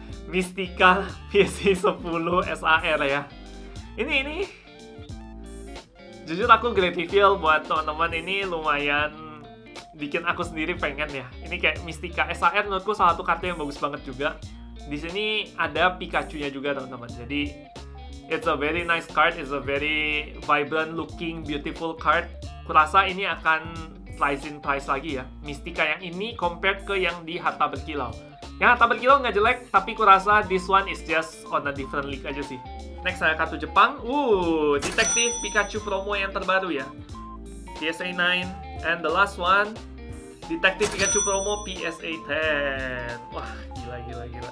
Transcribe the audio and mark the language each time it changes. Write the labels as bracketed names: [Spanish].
[Indonesian] Mystica PSA 10 SAR ya. Ini. Jujur aku [English] great reveal [Indonesian] buat teman-teman, ini lumayan bikin aku sendiri pengen ya. Ini kayak Mystica SAR menurutku salah satu kartu yang bagus banget juga. di sini ada Pikachu-nya juga teman-teman. [English] Jadi it's a very nice card, it's a very vibrant looking, beautiful card. [Indonesian] Kurasa ini akan [English] rise in price [Indonesian] lagi ya. Mystica yang ini compared ke yang di Harta Berkilau. Yang Harta Berkilau nggak jelek, tapi kurasa [English] this one is just on a different league [Indonesian] aja sih. Next ada kartu Jepang. Detektif Pikachu promo yang terbaru ya. PSA 9. And the last one, Detektif Pikachu promo PSA 10. Wah, gila.